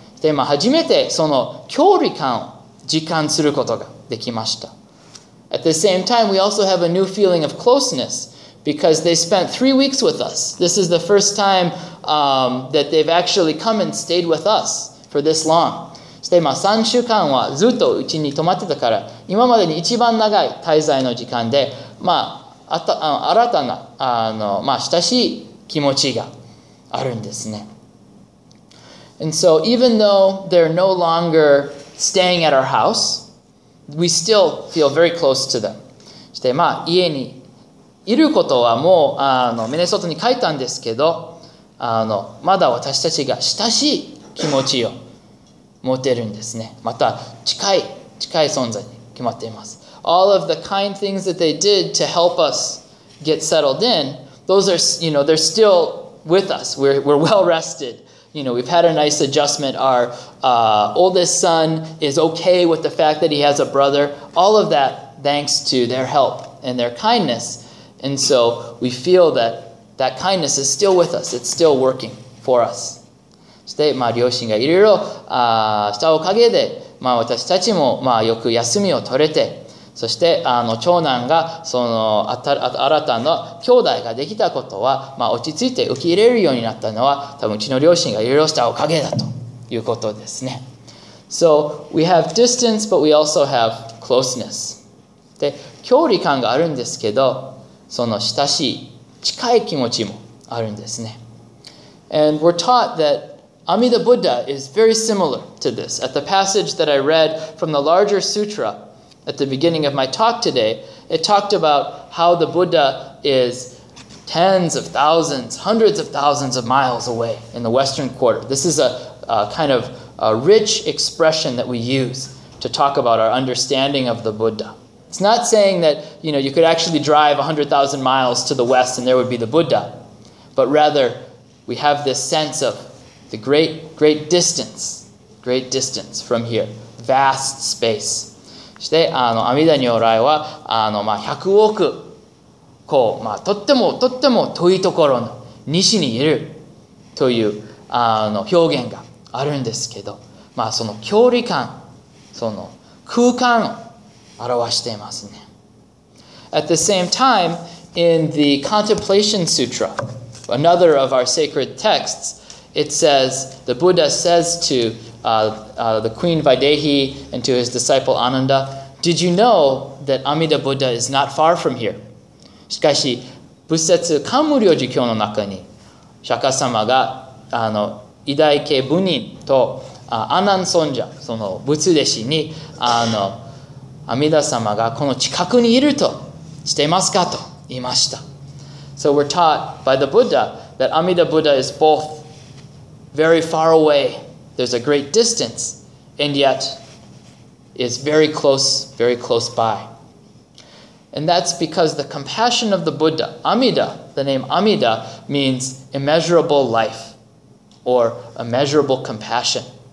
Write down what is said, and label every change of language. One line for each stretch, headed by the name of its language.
Japanese: で、まあ、初めてその距離感を実感することができました。
English: At the same time, we also have a new feeling of closeness because they spent 3 weeks with us. This is the first time that they've actually come and stayed with us for this long.
Japanese: そして、まあ、3週間はずっとうちに泊まってたから、今までに一番長い滞在の時間で、まあ、新たな、まあ、親しい気持ちがあるんですね。
English: And so, even though they're no longer staying at our house, we still feel very close to them.
Japanese: そして、まあ、家にいることはもう、ミネソタに帰ったんですけど、まだ私たちが親しい気持ちを持てるんですね。また、近い存在に決まっています。
English: All of the kind things that they did to help us get settled in, those are, you know, they're still with us. We're well rested. You know, we've had a nice adjustment. Our oldest son is okay with the fact that he has a brother. All of that thanks to their help and their kindness. And so we feel that that kindness is still with us. It's still working for us.
Japanese: そして、まあ、両親がいろいろしたおかげで、まあ、私たちも、まあ、よく休みを取れて、そして長男がその新たな兄弟ができたことは、まあ、落ち着いて受け入れるようになったのは、多分うちの両親がいろいろしたおかげだということですね。
English: So we have distance, but we also have closeness.
Japanese: で、距離感があるんですけど、その親しい、近い気持ちもあるんですね。
English: And we're taught that Amida Buddha is very similar to this. At the passage that I read from the larger sutra at the beginning of my talk today, it talked about how the Buddha is tens of thousands, hundreds of thousands of miles away in the Western Quarter. This is a kind of a rich expression that we use to talk about our understanding of the Buddha. It's not saying that, you know, you could actually drive 100,000 miles to the West and there would be the Buddha, but rather we have this sense of the great distance from here, vast space.
Japanese: そして、阿弥陀如来は、まあ、100億、こう、まあ、とってもとっても遠いところの西にいるという表現があるんですけど、まあ、その距離感、その空間を表していますね。
English: At the same time, in the Contemplation Sutra, another of our sacred texts,It says, the Buddha says to the Queen Vaidehi and to his disciple Ananda, Did you know that Amida Buddha is not far from here?
Japanese: しかし、仏説観無量寿経の中に、釈迦様が偉大系部人と阿南尊者、その仏弟子に、阿弥陀様がこの近くにいるとしていますかと言いました。
English: So we're taught by the Buddha that Amida Buddha is both very far away, there's a great distance, and yet is very close by. And that's because the compassion of the Buddha, Amida, the name Amida, means immeasurable life, or immeasurable compassion.